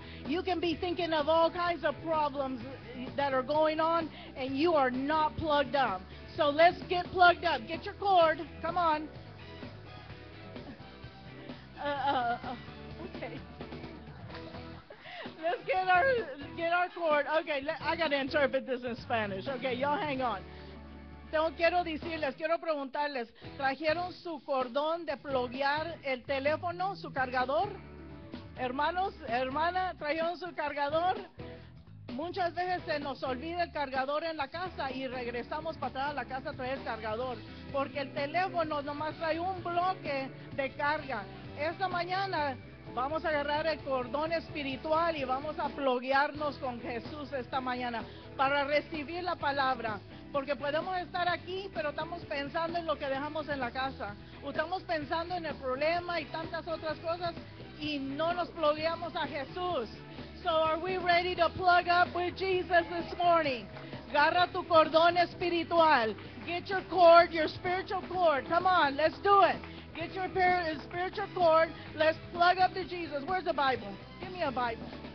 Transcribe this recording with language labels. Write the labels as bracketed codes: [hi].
[en] You can be thinking of all kinds of problems that are going on, and you are not plugged up. So let's get plugged up. Get your cord. Come on. Okay. Let's get our cord. Okay, I got to interpret this in Spanish. Okay, y'all hang on. [es] Tengo quiero decirles, quiero preguntarles, ¿trajeron su cordón de pluguear el teléfono, su cargador? Hermanos, hermana, ¿trajeron su cargador? Muchas veces se nos olvida el cargador en la casa y regresamos para atrás a la casa a traer el cargador, porque el teléfono nomás trae un bloque de carga. Esta mañana vamos a agarrar el cordón espiritual y vamos a pluguearnos con Jesús esta mañana para recibir la palabra. Porque podemos estar aquí, pero estamos pensando en lo que dejamos en la casa. O estamos pensando en el problema y tantas otras cosas, y no nos plugueamos a Jesús. [en] So are we ready to plug up with Jesus this morning? Agarra tu cordón espiritual. Get your cord, your spiritual cord. Come on, let's do it. Get your spiritual cord. Let's plug up to Jesus. Where's the Bible? Give me a Bible.